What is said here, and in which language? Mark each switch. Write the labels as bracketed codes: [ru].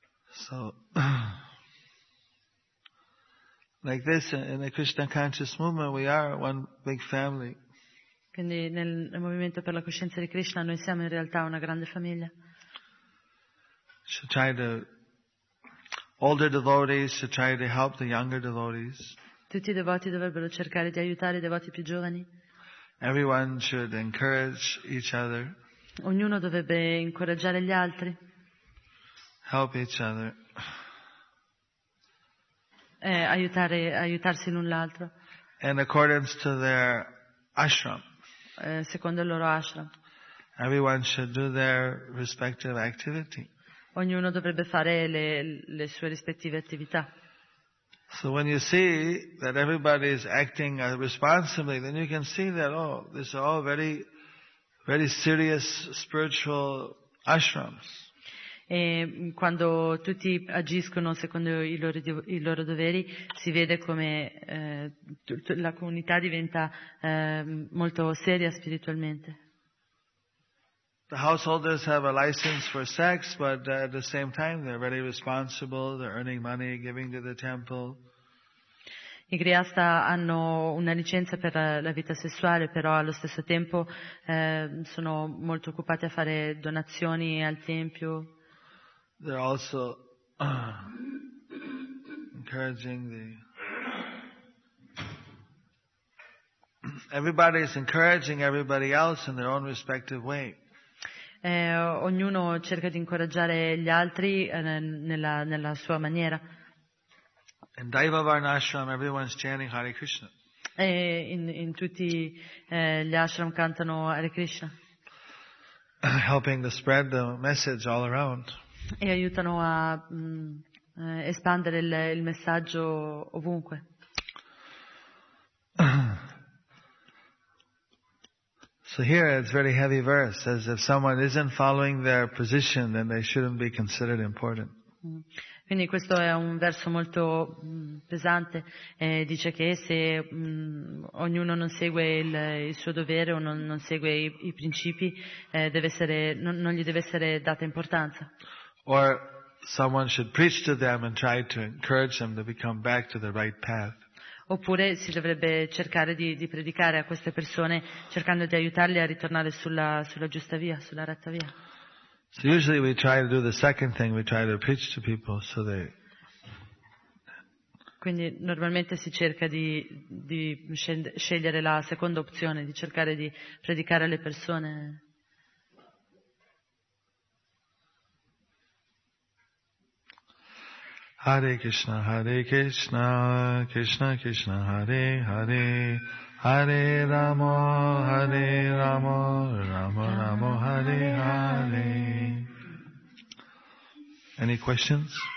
[en] So like this in the Krishna conscious movement we are one big family. [it] Quindi nel movimento per la coscienza di Krishna noi siamo in realtà una grande famiglia. [en] Should try to older devotees should try to help the younger devotees. [it] Tutti i devoti dovrebbero cercare di aiutare i devoti più giovani. [en] Everyone should encourage each other. [it] Ognuno dovrebbe incoraggiare gli altri. [en] Help each other. [it] Aiutarsi l'un l'altro. [en] In accordance to their ashram. [it] Secondo il loro ashram. [en] Everyone should do their respective activity. [it] Ognuno dovrebbe fare le sue rispettive attività. [en] So when you see that everybody is acting responsibly, then you can see that these are all very, very serious spiritual ashrams. [it] E quando tutti agiscono secondo i loro doveri si vede come la comunità diventa molto seria spiritualmente. [en] The householders have a license for sex, but at the same time they're very responsible, they're earning money, giving to the temple. [it] I Grihastha hanno una licenza per la vita sessuale, però allo stesso tempo sono molto occupati a fare donazioni al tempio. [en] They're also encouraging everybody is encouraging everybody else in their own respective way. [it] Ognuno cerca di incoraggiare gli altri nella sua maniera. [en] In Daiva Varnashram, everyone's chanting Hare Krishna. [it] E in tutti gli ashram cantano Hare Krishna. [en] Helping to spread the message all around. [it] E aiutano a espandere il messaggio ovunque. [en] So here it's very heavy verse, as if someone isn't following their position, then they shouldn't be considered important. [it] Quindi questo è un verso molto pesante. Dice che se ognuno non segue il suo dovere o non segue i principi, non gli deve essere data importanza. [en] Or someone should preach to them and try to encourage them to come back to the right path. [it] Oppure si dovrebbe cercare di predicare a queste persone cercando di aiutarli a ritornare sulla giusta via, sulla retta via. [en] So usually we try to do the second thing, we try to preach to people so they. [it] Quindi normalmente si cerca di scegliere la seconda opzione, di cercare di predicare alle persone. [sa] Hare Krishna, Hare Krishna, Krishna Krishna, Hare Hare, Hare Rama, Hare Rama, Rama Rama, Hare Hare. [en] Any questions?